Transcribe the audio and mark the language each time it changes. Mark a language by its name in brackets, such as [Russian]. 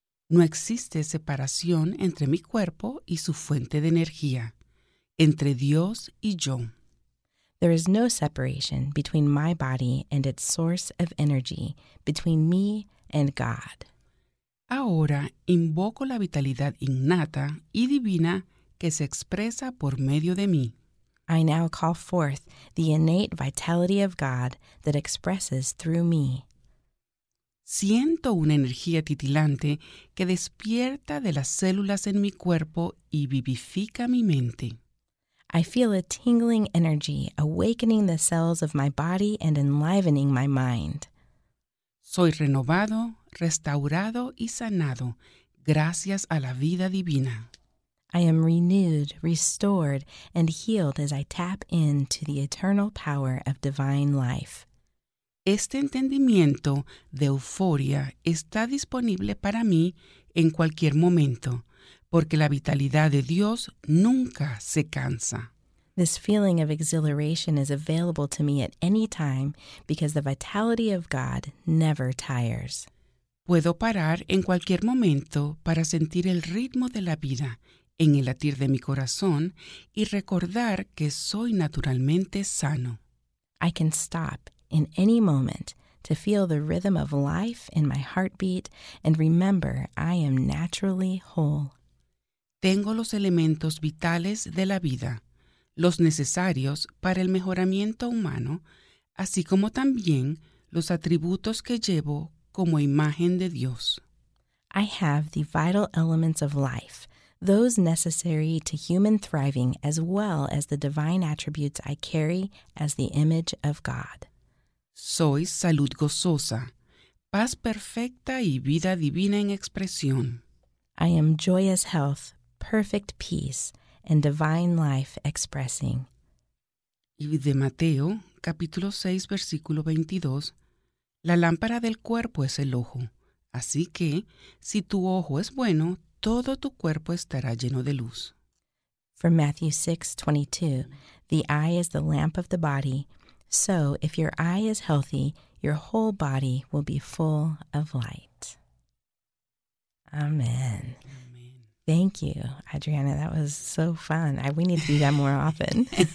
[Spanish] No existe separación entre mi cuerpo y su fuente de energía, entre Dios y yo. [English] There is no separation between my body and its source of energy, between me and God. [Spanish] Ahora invoco la vitalidad innata y divina que se expresa por medio de mí. [English] I now call forth the innate vitality of God that expresses through me. [Spanish] Siento una energía titilante que despierta de las células en mi cuerpo y vivifica mi mente. [English] I feel a tingling energy awakening the cells of my body and enlivening my mind. [Spanish] Soy renovado, restaurado y sanado gracias a la vida divina. [English] I am renewed, restored, and healed as I tap into the eternal power of divine life. [Spanish] Este entendimiento de euforia está disponible para mí en cualquier momento, porque la vitalidad de Dios nunca se cansa. [English] This feeling of exhilaration is available to me at any time because the vitality of God never tires. [Spanish] Puedo parar en cualquier momento para sentir el ritmo de la vida en el latir de mi corazón y recordar que soy naturalmente sano. [English] I can stop in any moment to feel the rhythm of life in my heartbeat and remember I am naturally whole. [Spanish] Tengo los elementos vitales de la vida, los necesarios para el mejoramiento humano, así como también los atributos que llevo como imagen de Dios. [English] I have the vital elements of life, those necessary to human thriving, as well as the divine attributes I carry as the image of God. [Spanish] Soy salud gozosa, paz perfecta y vida divina en expresión. [English] I am joyous health, perfect peace, and divine life expressing. [Spanish] Y de Mateo, capítulo 6, versículo 22, la lámpara del cuerpo es el ojo, así que, si tu ojo es bueno, todo tu cuerpo estará lleno de luz. [English] From Matthew 6, 22, the eye is the lamp of the body. So if your eye is healthy, your whole body will be full of light. Amen. Amen. Thank you, Adriana. That was so fun. We need to do that more often.